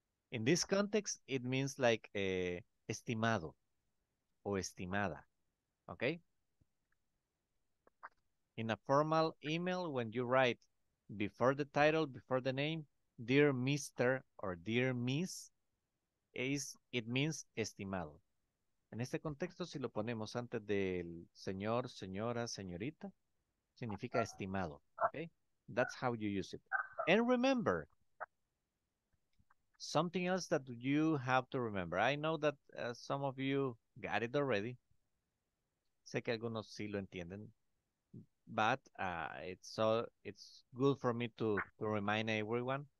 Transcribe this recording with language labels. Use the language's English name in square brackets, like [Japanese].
[English] In this context, it means like [Spanish] estimado o estimada, [English] okay? In a formal email, when you write before the title, before the name, dear Mr. or dear Miss, it means estimado. [Spanish] En este contexto, si lo ponemos antes del señor, señora, señorita, significa estimado. [English] Okay? That's how you use it. And remember, something else that you have to remember. I know that some of you got it already. [Spanish] Sé que algunos sí lo entienden. [English] But it's good for me to remind everyone.